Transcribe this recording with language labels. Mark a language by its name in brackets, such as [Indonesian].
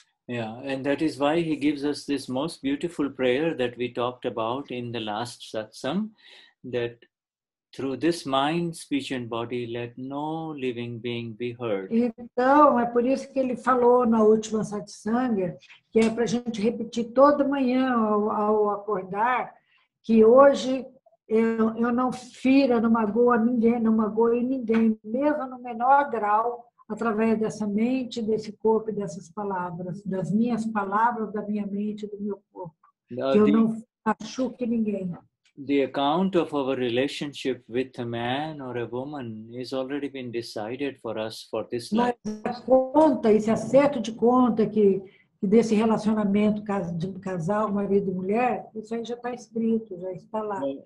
[English] Yeah, and that is why he gives us this most beautiful prayer that we talked about in the last satsang, that Through this mind, speech and body, let no living being be heard. [Portuguese] Então, é por isso que ele falou na última satsang, que é para a gente repetir toda manhã ao acordar, que hoje eu não fira, não magoa ninguém, não magoe ninguém, mesmo no menor grau, através dessa mente, desse corpo e dessas palavras, das minhas palavras, da minha mente, do meu corpo. Que eu não machuque ninguém. [English] The account of our relationship with a man or a woman has already been decided for us for this life. [Portuguese] Mas a conta, esse acerto de conta que desse relacionamento de casal, marido e mulher, isso aí já está escrito, já está lá.